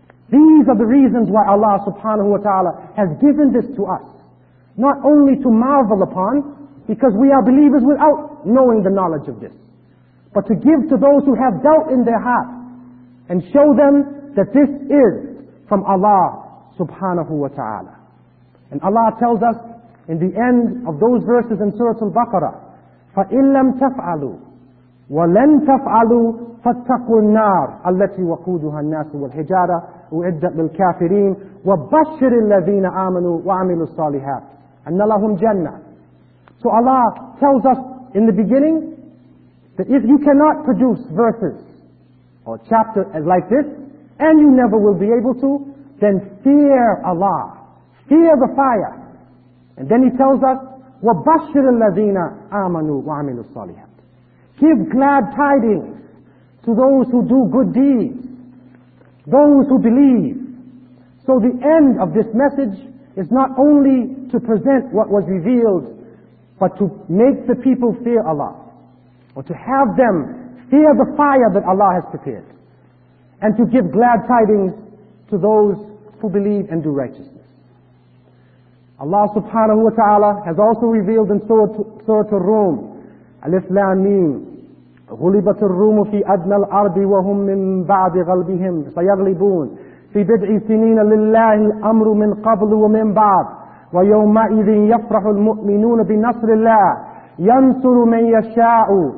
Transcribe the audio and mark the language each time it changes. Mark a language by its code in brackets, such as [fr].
[en] These are the reasons why Allah subhanahu wa ta'ala has given this to us. Not only to marvel upon, because we are believers without knowing the knowledge of this, but to give to those who have doubt in their heart and show them that this is from Allah subhanahu wa ta'ala. And Allah tells us in the end of those verses in Surah Al-Baqarah, [ar] فَإِنْ لَمْ تَفْعَلُوا وَلَنْ تَفْعَلُوا فَاتَّقُوا النَّارَ الَّتِي وَقُودُهَا النَّاسُ وَالْحِجَارَةُ أُعِدَّتْ لِلْكَافِرِينَ وَبَشِّرِ الَّذِينَ آمَنُوا وَعَمِلُوا الصَّالِحَاتِ أَنَّ لَهُمْ جَنَّةً. [en] So Allah tells us in the beginning that if you cannot produce verses or chapters like this, and you never will be able to, then fear Allah. Fear the fire. And then He tells us, [ar] وَبَشِّرِ الَّذِينَ آمَنُوا وَعَمِلُوا الصَّالِحَاتِ. [en] Give glad tidings to those who do good deeds, those who believe. So the end of this message is not only to present what was revealed, but to make the people fear Allah, or to have them fear the fire that Allah has prepared, and to give glad tidings to those who believe and do righteousness. Allah subhanahu wa ta'ala has also revealed in Surah Ar-Rum, Alif Lam Mim, [ar] غُلِبَتُ الرُّومُ فِي أَدْنَى الْأَرْضِ وَهُمْ مِنْ بَعْدِ غَلْبِهِمْ سَيَغْلِبُونَ فِي بِضْعِ سِنِينَ لِلَّهِ الْأَمْرُ مِنْ قَبْلُ وَمِنْ بَعْدُ وَيَوْمَئِذٍ يَفْرَحُ الْمُؤْمِنُونَ بِنَصْرِ اللَّهِ يَنْصُرُ مَنْ يَشَاءُ